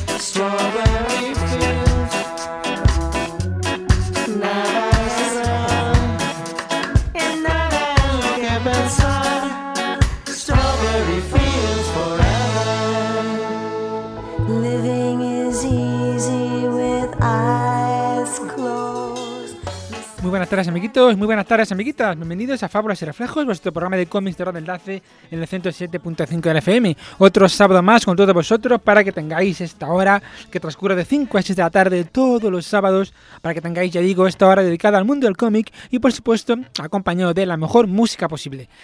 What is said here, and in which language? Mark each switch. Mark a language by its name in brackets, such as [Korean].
[Spanish] Strawberry fields, nada es real, en nada hay que pensar. [English] Strawberry fields forever. Living is easy with eyes closed. [Spanish] Muy buenas tardes, amiguitos. Muy buenas tardes, amiguitas. Bienvenidos a Fábulas y Reflejos, vuestro programa de cómics de Rob Enlace en el 107.5 del FM. Otro sábado más con todos vosotros para que tengáis esta hora que transcurre de 5 a 6 de la tarde todos los sábados, para que tengáis, ya digo, esta hora dedicada al mundo del cómic y, por supuesto, acompañado de la mejor música posible.